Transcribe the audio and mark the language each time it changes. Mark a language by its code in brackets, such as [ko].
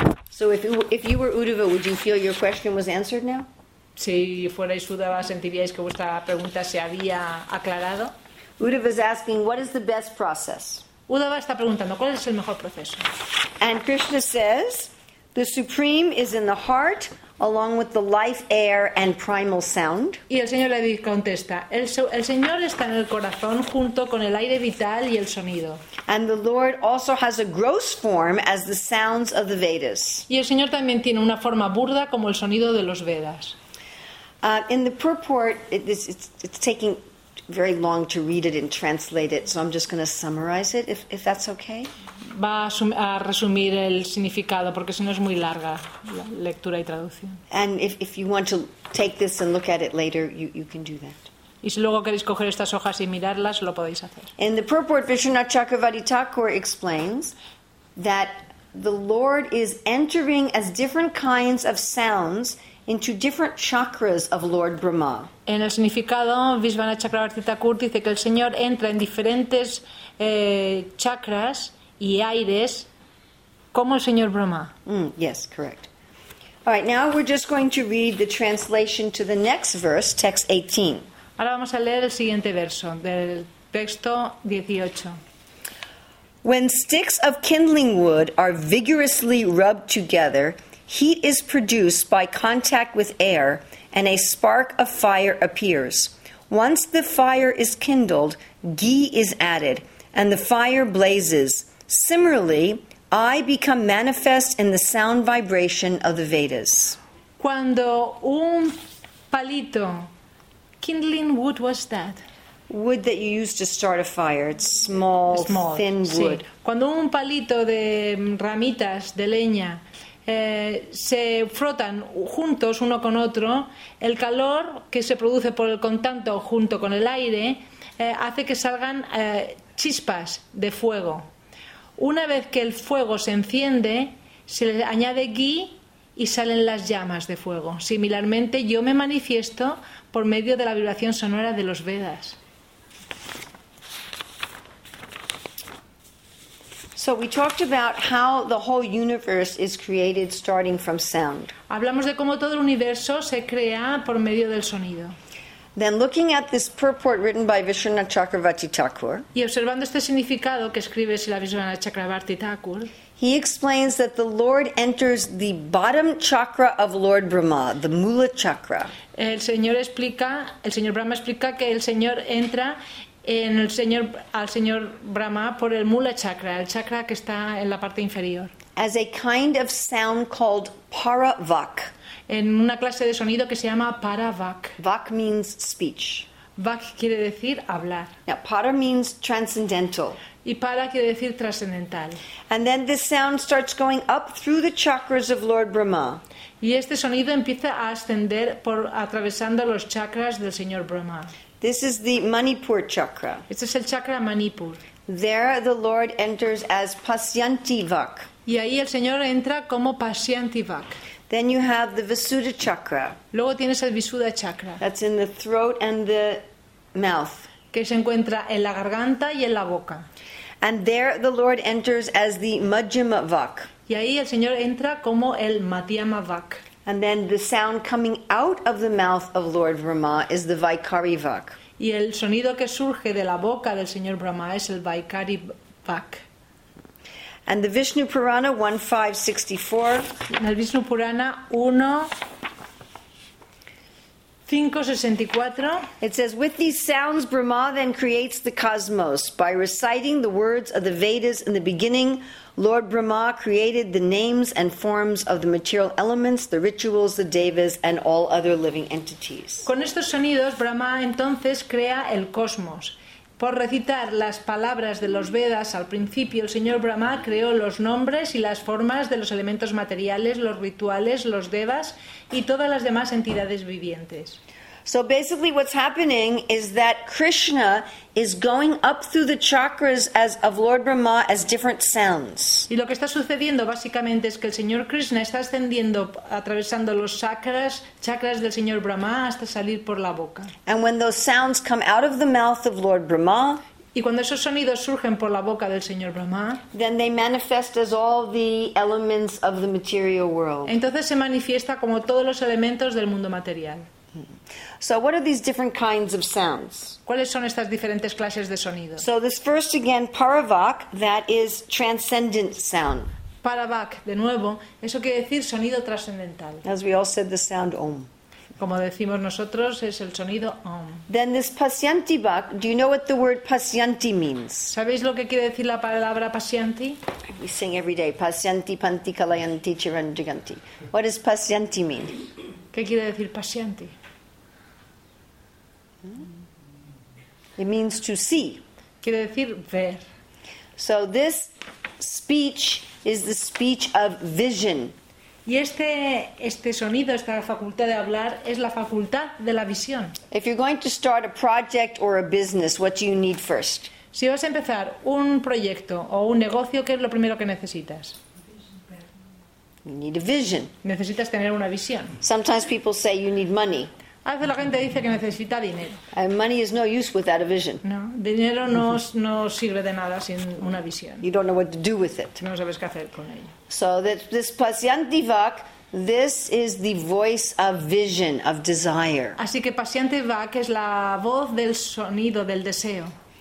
[en] So if you were Uddhava, would you feel your question was answered now? [es] Si fuerais Uddhava, ¿sentiríais que vuestra pregunta se había aclarado? [en] Uddhava is asking, what is the best process? [es] Uddhava está preguntando, ¿cuál es el mejor proceso? [en] And Krishna says, the Supreme is in the heart, along with the life air and primal sound. [es] Y el Señor le contesta, el Señor está en el corazón junto con el aire vital y el sonido. [en] And the Lord also has a gross form as the sounds of the Vedas. [es] Y el Señor también tiene una forma burda como el sonido de los Vedas. [en] In the purport, it's taking very long to read it and translate it, so I'm just going to summarize it, if that's okay. [es] Va a resumir el significado, porque si no es muy larga la lectura y traducción. [en] And if you want to take this and look at it later, you can do that. [es] Y si luego queréis coger estas hojas y mirarlas, lo podéis hacer. [en] In the purport, Vishwanatha Chakravarti Thakur explains that the Lord is entering as different kinds of sounds into different chakras of Lord Brahma. [es] En el significado, Vishwanatha Chakravarti Thakur dice que el Señor entra en diferentes chakras y aires como el Señor Brahma. [en] Yes, correct. All right, now we're just going to read the translation to the next verse, text 18. [es] Ahora vamos a leer el siguiente verso del texto 18. [en] When sticks of kindling wood are vigorously rubbed together, heat is produced by contact with air, and a spark of fire appears. Once the fire is kindled, ghee is added, and the fire blazes. Similarly, I become manifest in the sound vibration of the Vedas. [es] Cuando un palito, [en] kindling wood, was that? Wood that you use to start a fire. It's small thin wood. [es] Sí. Cuando un palito de ramitas de leña se frotan juntos uno con otro, el calor que se produce por el contacto junto con el aire hace que salgan chispas de fuego. Una vez que el fuego se enciende, se le añade ghee y salen las llamas de fuego. Similarmente, yo me manifiesto por medio de la vibración sonora de los Vedas. [en] So we talked about how the whole universe is created starting from sound. [es] Hablamos de cómo todo el universo se crea por medio del sonido. [en] Then looking at this purport written by Vishwanatha Chakravarti Thakur. [es] Y observando este significado que escribe Srila Vishwanatha Chakravarti Thakur. [en] He explains that the Lord enters the bottom chakra of Lord Brahma, the Mula chakra. [es] El Señor Brahma explica que el Señor entra en el Señor al Señor Brahma por el Mula chakra, el chakra que está en la parte inferior. [en] As a kind of sound called Paravak. [es] En una clase de sonido que se llama Paravak. [en] Vak means speech. [es] Vak quiere decir hablar. [en] Now, para means transcendental. [es] Y para quiere decir trascendental. [en] And then this sound starts going up through the chakras of Lord Brahma. [es] Y este sonido empieza a ascender por atravesando los chakras del Señor Brahma. [en] This is the Manipur chakra. [es] Este es el chakra Manipur. [en] There the Lord enters as Pasyanti Vak. [es] Y ahí el Señor entra como Pasyanti Vak. [en] Then you have the Visuddha chakra. [es] Luego tienes el Visuddha chakra. [en] That's in the throat and the mouth. [es] Que se encuentra en la garganta y en la boca. [en] And there the Lord enters as the Majjhima Vak. [es] Y ahí el Señor entra como el Madhyama Vak. [en] And then the sound coming out of the mouth of Lord Brahma is the Vaikari Vak. [es] Y el sonido que surge de la boca del Señor Brahma es el Vaikari Vak. [en] And the Vishnu Purana 1564. [es] En el Vishnu Purana 1564. [en] It says, with these sounds, Brahma then creates the cosmos. By reciting the words of the Vedas in the beginning, Lord Brahma created the names and forms of the material elements, the rituals, the devas, and all other living entities. [es] Con estos sonidos, Brahma entonces crea el cosmos. Por recitar las palabras de los Vedas al principio, el señor Brahma creó los nombres y las formas de los elementos materiales, los rituales, los devas y todas las demás entidades vivientes. [en] So basically what's happening is that Krishna is going up through the chakras as of Lord Brahma as different sounds. [es] Y lo que está sucediendo básicamente es que el señor Krishna está ascendiendo atravesando los chakras del señor Brahma hasta salir por la boca. [en] And when those sounds come out of the mouth of Lord Brahma, [es] y cuando esos sonidos surgen por la boca del señor Brahma, [en] then they manifest as all the elements of the material world. [es] Entonces se manifiesta como todos los elementos del mundo material. [en] So what are these different kinds of sounds? [es] ¿Cuáles son estas diferentes clases de sonido? [en] So this first again, paravak, that is transcendent sound. [es] Paravak, de nuevo, eso quiere decir sonido trascendental. [en] As we all said, the sound om. [es] Como decimos nosotros, es el sonido om. [en] Then this pasyanti vak, do you know what the word pasyanti means? [es] ¿Sabéis lo que quiere decir la palabra pasyanti? [en] We sing every day, [sa] pasyanti panti kalayanti chiranjiganti. [en] What does pasyanti mean? [es] ¿Qué quiere decir pasyanti? [en] It means to see. [es] Quiere decir ver. [en] So this speech is the speech of vision. [es] Y este sonido, esta facultad de hablar, es la facultad de la visión. [en] If you're going to start a project or a business, what do you need first? [es] Si vas a empezar un proyecto o un negocio, ¿qué es lo primero que necesitas? [en] You need a vision. [es] Necesitas tener una visión. [en] Sometimes people say you need money. [es] A veces la gente dice que necesita dinero. [en] And money is no use without a vision. [es] No, dinero no sirve de nada sin una visión. [en] You don't know what to do with it. [es] No sabes qué hacer con ello. [en] So this pasyanti vak, this is the voice of vision, of desire. [es] Así que pasyanti vak es la voz del sonido del deseo.